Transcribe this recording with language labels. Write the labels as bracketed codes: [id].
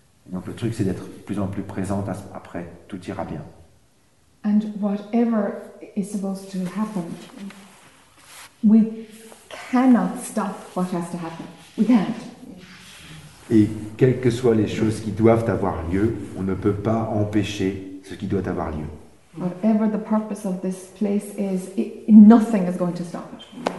[fr] Donc le truc, c'est d'être de plus en plus présente, après tout ira bien. [en] And whatever is supposed to happen, we cannot stop what has to happen. We can't. [fr] Et quelles que soient les choses qui doivent avoir lieu, on ne peut pas empêcher ce qui doit avoir lieu. [en] Whatever the purpose of this place is, nothing is going to stop it.